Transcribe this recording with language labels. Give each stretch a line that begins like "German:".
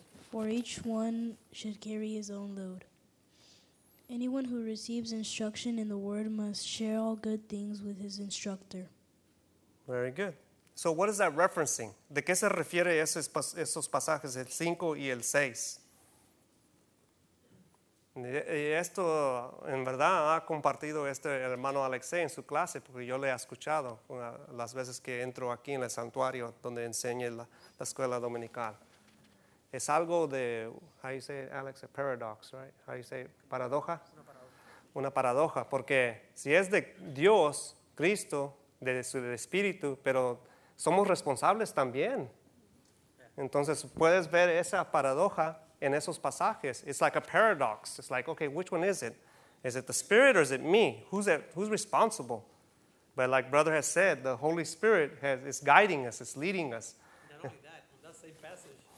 English: For each one should carry his own load. Anyone who receives instruction in the word must share all good things with his instructor. Very good. So what is that referencing?
Spanish: ¿De qué se refiere esos pasajes, el 5 y el 6? Y esto, en verdad, ha compartido este hermano Alexei en su clase, porque yo le he escuchado las veces que entro aquí en el santuario donde enseña la escuela dominical. Es algo de,
English: how you say it, Alex, a paradox, right? How you say it? Paradoja.
Spanish: Una paradoja, porque si es de Dios, Cristo, de su Espíritu, pero somos responsables también. Entonces, puedes ver esa paradoja en esos pasajes.
English: It's like a paradox. It's like, okay, which one is it? Is it the Spirit or is it me? Who's responsible? But like brother has said, the Holy Spirit is guiding us, is leading us. Not only that, on that same passage.